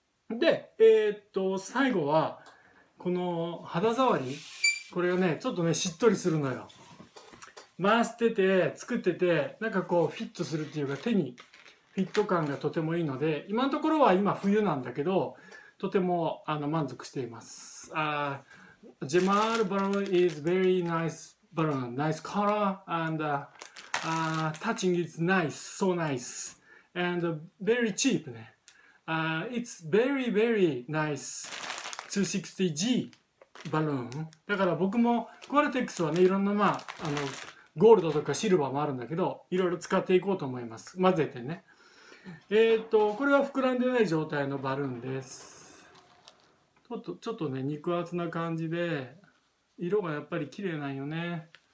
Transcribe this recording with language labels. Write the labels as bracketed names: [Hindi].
[Japanese] で、最後はこの肌触り、これがね、ちょっとね、しっとりするのよ。回してて作ってて、なんかこうフィットするっていうか、手にフィット感がとてもいいので、今のところは今冬なんだけど、とても満足しています。 [English] ジェマールバルーン is very nice balloon. Nice color and touching is nice, so nice. And very cheap ね。It's very, very nice 260G balloon. [Japanese] だから僕もクワラテックスはね、いろんな、まあ、ゴールドとかシルバーもあるんだけど、いろいろ使っていこうと思います。混ぜてね。これは膨らんでない状態のバルーンです。ちょっとね、肉厚な感じで、色がやっぱり綺麗なんよね。